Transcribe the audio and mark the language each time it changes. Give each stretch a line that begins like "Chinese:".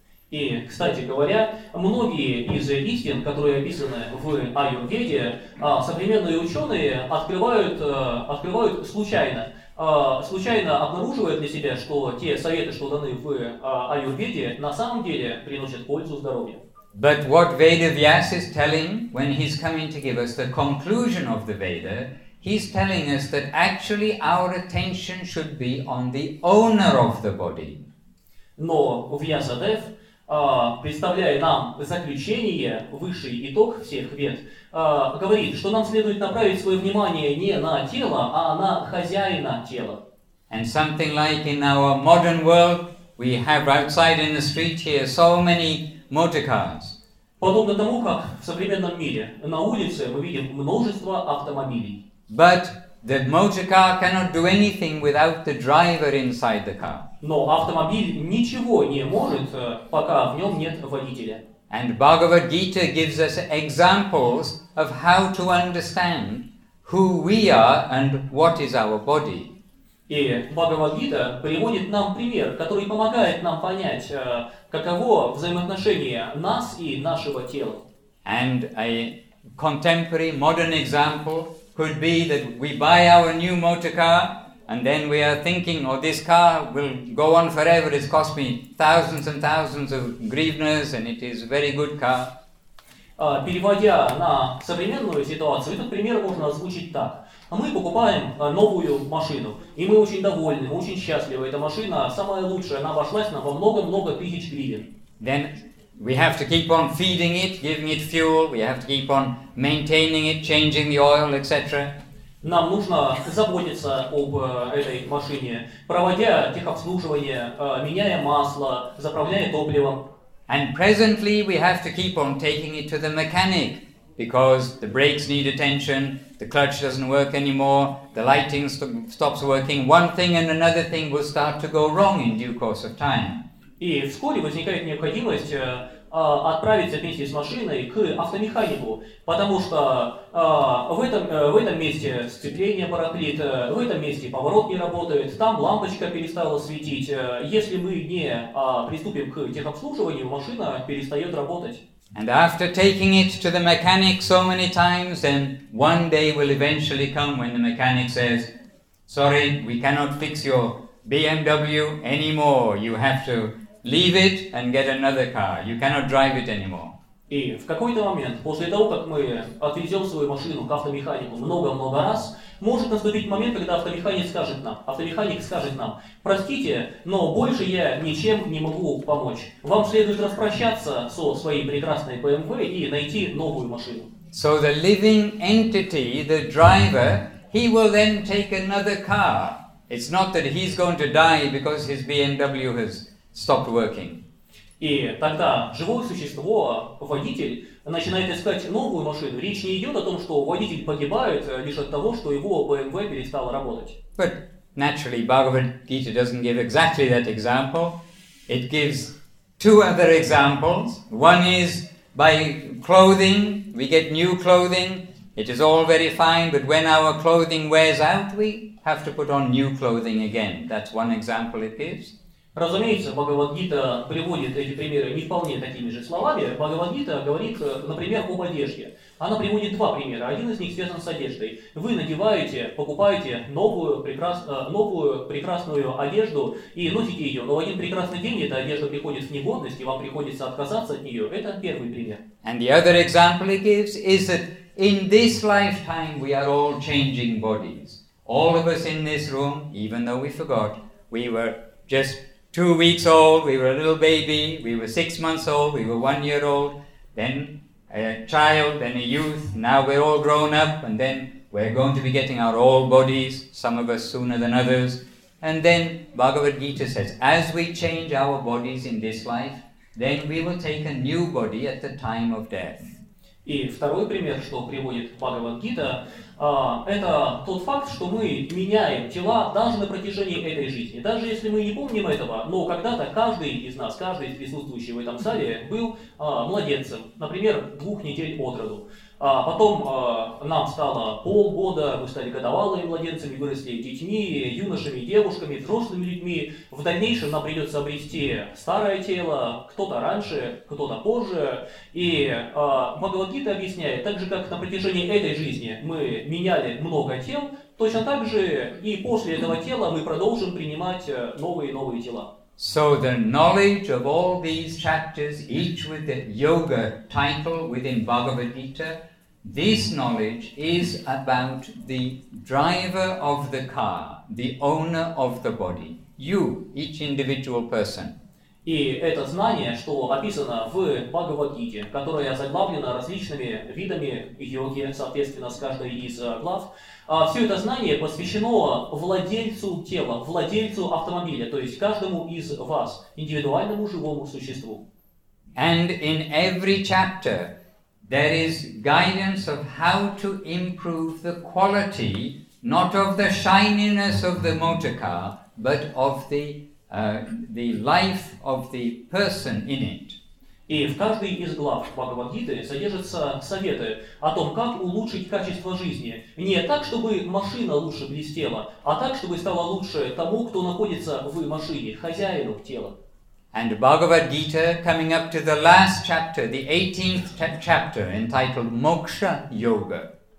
Russian: И, кстати говоря, многие из истин, которые описаны в Аюрведе, современные ученые открывают случайно. Случайно обнаруживают для себя, что те советы, что даны в Аюрведе, на самом деле приносят пользу здоровью.
English: But what Vedavyasa is telling, when he's coming to give us the conclusion of the Veda, he's telling us that actually our attention should be on the owner of the body.
Russian: Но Vyasadev, представляя нам заключение, высший итог всех вед, говорит, что нам следует направить свое внимание не на тело, а на хозяина тела.
English: And something like in our modern world, we have outside in the street here so many motor cars.
Russian: Подобно тому, как в современном мире, на улице мы видим множество автомобилей.
English: But the motor car cannot do anything without the driver inside the car.
Russian: Но автомобиль ничего не может, пока в нем нет водителя.
English: And Bhagavad Gita gives us examples of how to understand who we are and what is our body.
Russian: И Бхагавад-гита приводит нам пример, который помогает нам понять, каково взаимоотношение нас и нашего тела.
English: And a contemporary modern example could be that we buy our new motor car and then we are thinking, oh, this car will go on forever, it's cost me thousands and thousands of hryvnias and it is a very good car.
Russian: Переводя на современную ситуацию, этот пример можно озвучить так. Мы покупаем новую машину, и мы очень довольны, мы очень счастливы. Эта машина самая лучшая, она обошлась нам во много-много тысяч гривен.
English: Then we have to keep on feeding it, giving it fuel, we have to keep on maintaining it, changing the oil, etc.
Russian: Нам нужно заботиться об этой машине, проводя техобслуживание, меняя масло, заправляя топливом.
English: And presently we have to keep on taking it to the mechanic, because the brakes need attention, the clutch doesn't work anymore, the lighting stops working, one thing and another thing will start to go wrong in due course of time.
Russian: И вскоре возникает необходимость отправиться вместе с машиной к автомеханику, потому что в этом месте сцепление барахлит, в этом месте поворот не работает, там лампочка перестала светить. Если мы не приступим к техобслуживанию, машина перестает работать.
English: And after taking it to the mechanic so many times, then one day will eventually come when the mechanic says, sorry, we cannot fix your BMW anymore. You have to leave it and get another car. You cannot drive it anymore.
Russian: И в какой-то момент, после того, как мы отвезем свою машину к автомеханику много-много раз, может наступить момент, когда автомеханик скажет нам, простите, но больше я ничем не могу помочь. Вам следует распрощаться со своей прекрасной BMW и найти новую машину.
English: So the living entity, the driver, he will then take another car. It's not that he's going to die because his BMW has stopped working.
Russian: И тогда живое существо, водитель, начинает искать новую машину. Речь не идет о том, что водитель погибает лишь от того, что его BMW перестало работать.
English: But naturally, Bhagavad Gita doesn't give exactly that example. It gives two other examples. One is by clothing. We get new clothing. It is all very fine, but when our clothing wears out, we have to put on new clothing again. That's one example it gives.
Russian: Разумеется, Бхагавад-гита приводит эти примеры не вполне такими же словами. Бхагавад-гита говорит, например, об одежде. Она приводит два примера. Один из них связан с одеждой. Вы надеваете, покупаете новую прекрасную одежду и носите ее. Но в один прекрасный день эта одежда приходит в негодность, и вам приходится отказаться от нее. Это первый пример.
English: And the other example it gives is that in this lifetime we are all changing bodies. All of us in this room, even though we forgot, we were just 2 weeks old, we were a little baby, we were 6 months old, we were 1 year old, then a child, then a youth, now we're all grown up, and then we're going to be getting our old bodies, some of us sooner than others, And then Bhagavad Gita says, as we change our bodies in this life, then we will take a new body at the time of death.
Russian: И второй пример, что приводит Бхагавад-гита, это тот факт, что мы меняем тела даже на протяжении этой жизни. Даже если мы не помним этого, но когда-то каждый из нас, каждый из присутствующих в этом зале, был младенцем, например, 2 недель от роду. Потом нам стало полгода, мы стали годовалыми младенцами, выросли детьми, юношами, девушками, взрослыми людьми. В дальнейшем нам придется обрести старое тело, кто-то раньше, кто-то позже. И Бхагавад-гита объясняет, так же как на протяжении этой жизни мы меняли много тел, точно так же и после этого тела мы продолжим принимать новые и новые тела.
English: So the knowledge of all these chapters, each with the yoga title within Bhagavad Gita, this knowledge is about the driver of the car, the owner of the body, you, each individual person.
Russian: И это знание, что описано в Бхагавад-гите, которое заглавлено различными видами йоги, соответственно, с каждой из глав, все это знание посвящено владельцу тела, владельцу автомобиля, то есть каждому из вас, индивидуальному живому существу.
English: And in every chapter there is guidance of how to improve the quality, not of the shininess of the motor car, but of the life of the person in it.
Russian: И в каждой из глав Бхагавад-гиты содержатся советы о том, как улучшить качество жизни. Не так, чтобы машина лучше блестела, а так, чтобы стало лучше тому, кто находится в машине, хозяину тела.
English: And Bhagavad-gita, coming up to the last chapter, the 18th chapter, entitled Moksha Yoga.